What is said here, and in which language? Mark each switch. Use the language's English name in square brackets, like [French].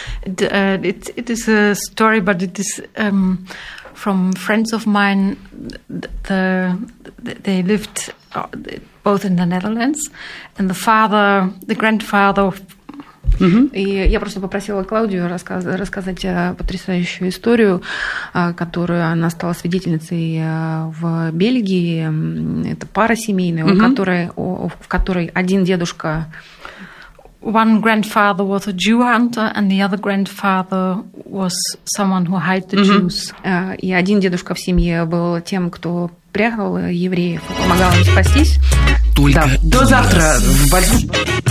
[English] It is a story, but it is from friends of mine. They lived both in the Netherlands, and the father, the grandfather of [Russian] И я просто попросила Клаудию рассказать потрясающую историю, которую она стала свидетельницей в Бельгии. Это пара семейная, в которой один дедушка... [English] One grandfather was a Jew hunter, and the other grandfather was someone who hid the Jews. [Russian] И один дедушка в семье был тем, кто прятал евреев и помогал им спастись. Только до завтра в большом...